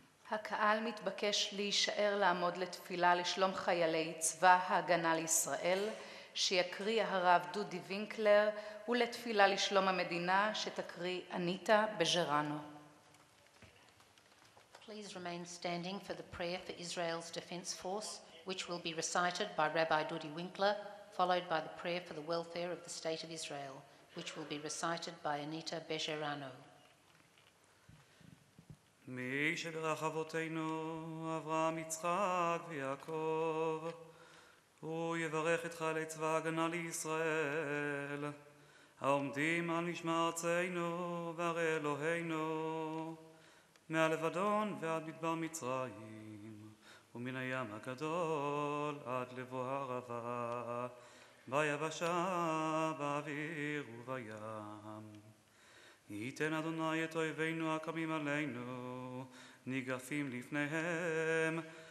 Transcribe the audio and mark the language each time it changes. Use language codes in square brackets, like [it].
[he] הקהל מתבקש להישאר לעמוד לתפילה לשלום חיילי צבא ההגנה לישראל, שיקריא הרב דודי וינקלר, ולתפילה לשלום המדינה, שתקריא אניטה בג'רנו. [en] Please remain standing for the prayer for Israel's defense force, which will be recited by Rabbi Dudi Winkler, followed by the prayer for the welfare of the state of Israel, which will be recited by Anita Bejerano. [he] מי שברך אבותינו אברהם יצחק ויעקב הוא יברך את חיילי צבא הגנה לישראל העומדים על משמר ארצנו וערי אלוהינו מהלבדון ועד מדבר מצרים ומן הים הגדול עד לבוא הערבה ביבשה באוויר ובים ייתן אדוני את אויבינו הקמים עלינו, ניגפים לפניהם.